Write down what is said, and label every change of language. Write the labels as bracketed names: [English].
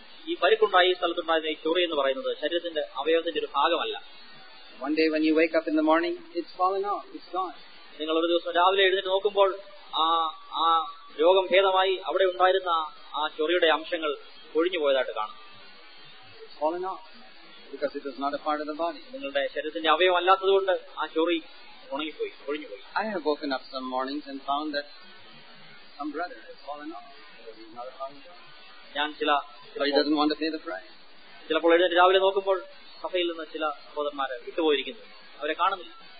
[Malayalam] ഈ പരിക്കുണ്ടായ ഈ സ്ഥലത്തുണ്ടായിരുന്ന ഈ ചോറി എന്ന് പറയുന്നത് ശരീരത്തിന്റെ അവയവത്തിന്റെ ഒരു ഭാഗമല്ല. [English] One day when you wake up in the morning, it's fallen off, it's gone. [Malayalam] നിങ്ങൾ ഒരു ദിവസം രാവിലെ എഴുന്നേറ്റ് നോക്കുമ്പോൾ ആ രോഗം ഭേദമായി അവിടെ ഉണ്ടായിരുന്ന ആ ചോറിയുടെ അംശങ്ങൾ ഒഴിഞ്ഞു പോയതായിട്ട് കാണാം. [English] It's fallen off. Because it is not a part of the body. [Malayalam] നിങ്ങളുടെ ശരീരത്തിന്റെ അവയവം അല്ലാത്തതുകൊണ്ട് ആ ചോറി ഉണങ്ങിപ്പോയി, ഒഴിഞ്ഞുപോയി. [English] I have woken up some mornings and found that some brother has fallen off. It is not a part of the body. [Malayalam] ഞാൻ ചില [English] he doesn't want to pay the price. [Malayalam] ചിലപ്പോൾ എഴുന്നേറ്റ് രാവിലെ നോക്കുമ്പോൾ സഭയിൽ നിന്ന് ചില സഹോദരന്മാർ വിട്ടുപോയിരിക്കുന്നു, അവരെ കാണുന്നില്ല.